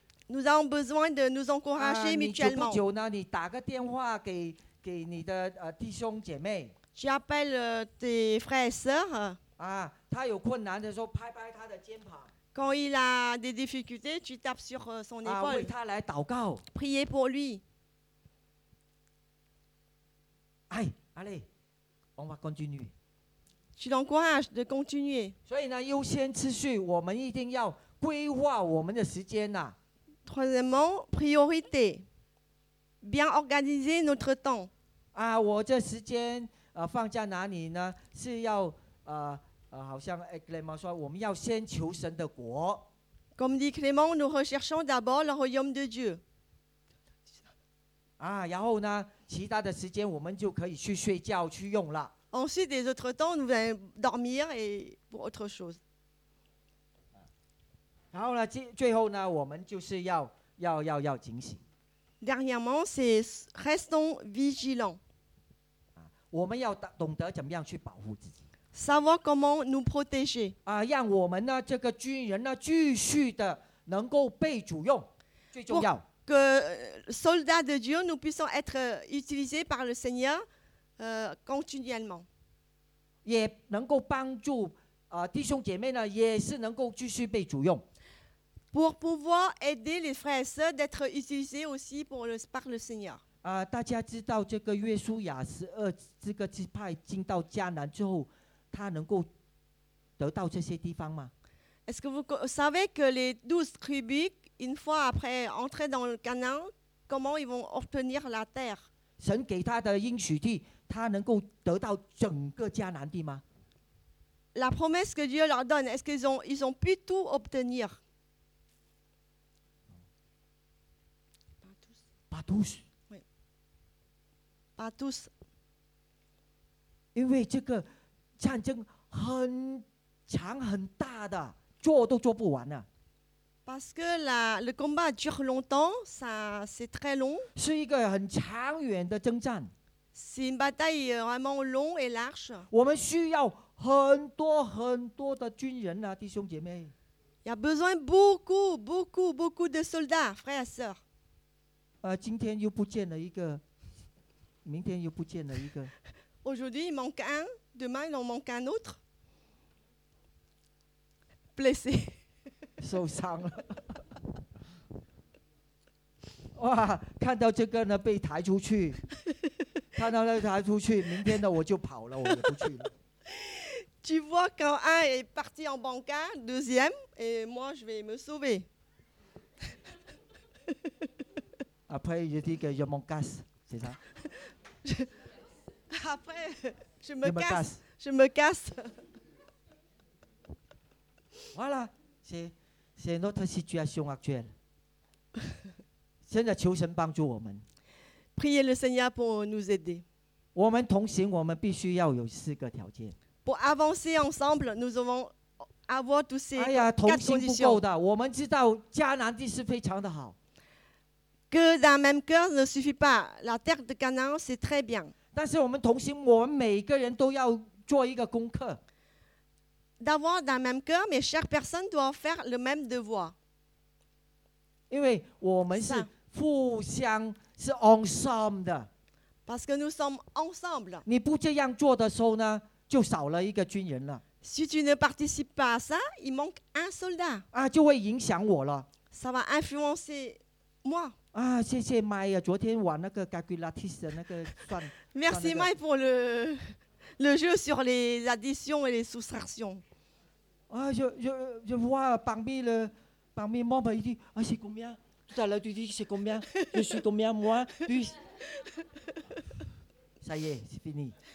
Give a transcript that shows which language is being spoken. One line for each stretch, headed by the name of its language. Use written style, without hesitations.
French: Nous avons besoin de nous encourager mutuellement.
Chinese: 久不久呢，你打个电话给你的弟兄姐妹。
French: Tu appelles tes frères et sœurs.
Chinese: 啊，他有困难的时候，拍拍他的肩膀。
French: Quand il a des difficultés, tu tapes sur son épaule.
Chinese: 啊，为他来祷告。
French: Priez pour lui. 哎，allez, on va continuer. Tu l'encourages de continuer.
Chinese: 所以呢，优先次序，我们一定要规划我们的时间呐。
French: Troisièmement, priorité. Bien organiser notre temps.
Chinese: 啊，我这时间放在哪里呢？是要好像Clément说，我们要先求神的国。
French: Comme dit Clément, nous recherchons d'abord le royaume de Dieu.
Chinese: 啊，然后呢，其他的时间我们就可以去睡觉去用了。
French: Ensuite, des autres temps, nous allons dormir et pour autre chose.
Chinese: 然后呢，最后呢，我们就是要警醒。
French: Dernièrement, c'est restons vigilants.
Chinese: 我们要懂得怎么样去保护自己。
French: Savoir comment nous protéger.
Chinese: 啊，让我们呢这个军人呢继续的能够被主用，最重要。
French: Pour que soldats de Dieu, nous puissions être utilisés par le Seigneur. Continuellement.
Chinese: 也能够帮助弟兄姐妹呢，也是能够继续被主用。
French: Pour pouvoir aider les frères et sœurs d'être utilisés aussi par le Seigneur.
Chinese: 大家知道这个约书亚十二这个支派进到迦南之后，他能够得到这些地方吗？
French: Est-ce que vous savez que les douze tribus, une fois après entrer dans le Canaan, comment ils vont obtenir la terre?
Chinese: 神给他的应许地。他能够得到整个迦南地吗？
French: La promesse que Dieu leur donne, est-ce qu'ils ont, ils ont pu tout obtenir? Pas tous. Oui. Pas tous.
Chinese: 因为这个战争很长很大的，做都做不完了。
French: Parce que le combat dure longtemps, ça c'est très long.
Chinese: 是一个很长远的征战。
French: C'est une bataille vraiment long et large.
Chinese: 我们需要很多很多的军人啊，弟兄姐妹。
French: Il y a besoin beaucoup, beaucoup, beaucoup de soldats, frères et sœurs.
Chinese: 今天又不见了一个，明天又不见了一个。
French: Aujourd'hui il manque un, demain il en manque un autre. Blessé.
Chinese: 受伤了。哇，看到这个呢被抬出去，看到他抬出去，明天呢我就跑了，我也不去了。
French: Tu vois quand un est parti en bancaire, deuxième, et moi je vais me sauver. Après, je dis que je m'en casse, c'est ça? Après, je me casse. Voilà, c'est notre situation actuelle.
Chinese: 现在求神帮助我们。
French: Priez le Seigneur pour nous aider.
Chinese: 我们同行，我们必须要有四个条件。
French: Pour avancer ensemble, nous allons avoir tous ces
Chinese: 同心不够的，我们知道迦南地是非常的好。
French: Que d'un même cœur ne suffit pas. La terre de Canaan, c'est très bien.
Chinese: 但是我们同心，我们每个人都要做一个功课。
French: D'avoir d'un même cœur, mais chaque personne doit faire le même devoir.
Chinese: 因为我们是互相，是 ensemble 的。
French: Parce que nous sommes ensemble.
Chinese: 你不这样做的时候呢？就少了一个军人了。
French: Si tu ne participes pas à ça, il manque un soldat.
Chinese: 就会影响我了。
French: Ça va influencer moi.
Chinese: 谢谢 Mai 啊，昨天玩那个 Calculatis 的那个算。
French: Merci Mai pour le jeu sur les additions et les soustractions. Je vois parmi membres, il dit, c'est combien? Tout à l'heure, tu dis, c'est combien? Je suis combien, moi? Ça y est, c'est fini.